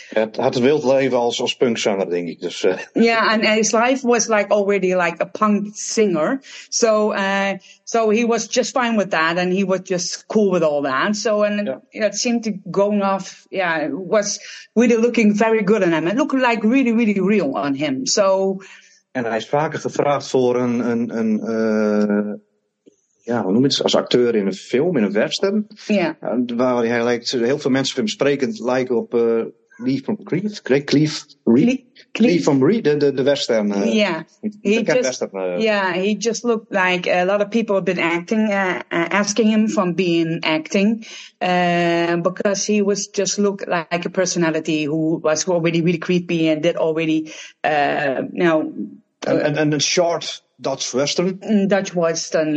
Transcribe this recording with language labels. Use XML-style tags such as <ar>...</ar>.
<nl>Het had een wild leven als punk zanger, denk ik. Dus,</nl> <en>yeah, and his life was like already like a punk singer. So he was just fine with that and he was just cool with all that. So, and it seemed to go off. Yeah, it was really looking very good on him. It looked like really, really real on him. So.</en> <nl>En hij is vaker gevraagd voor hoe noem je het, als acteur in een film, in een western.</nl> <en>Yeah.</en> <nl>Waar hij lijkt, heel veel mensen van hem sprekend lijken op Lee from Creed, Lee from Reed, de western.</nl> <en>He just looked like a lot of people have been acting, asking him from being acting, because he was just looked like a personality who was already really creepy and did already, And a short Dutch Western,</en>